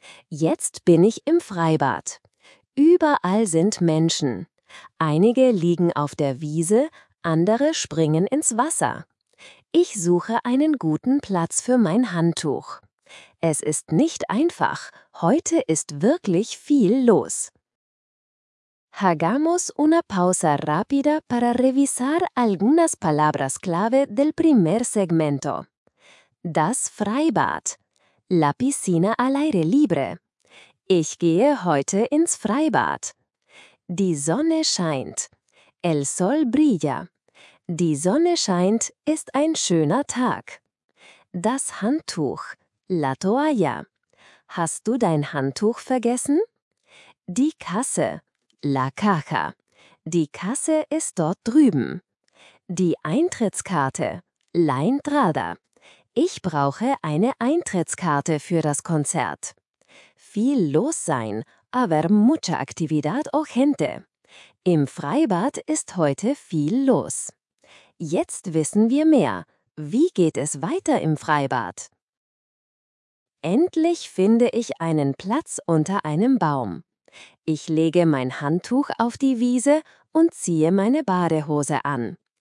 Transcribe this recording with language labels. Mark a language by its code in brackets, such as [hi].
[de] Jetzt bin ich im Freibad. Überall sind Menschen. Einige liegen auf der Wiese, andere springen ins Wasser. Ich suche einen guten Platz für mein Handtuch. Es ist nicht einfach. Heute ist wirklich viel los. [es] Hagamos una pausa rápida para revisar algunas palabras clave del primer segmento. Das Freibad. La piscina al aire libre. [de] Ich gehe heute ins Freibad. Die Sonne scheint. [es] El sol brilla. [de] Die Sonne scheint ist ein schöner Tag. Das Handtuch. La toalla. Hast du dein Handtuch vergessen? Die Kasse. La caja. Die Kasse ist dort drüben. Die Eintrittskarte. La entrada. Ich brauche eine Eintrittskarte für das Konzert. Viel los sein, [es] aber mucha actividad o gente. [de] Im Freibad ist heute viel los. Jetzt wissen wir mehr. Wie geht es weiter im Freibad? Endlich finde ich einen Platz unter einem Baum. Ich lege mein Handtuch auf die Wiese und ziehe meine Badehose an.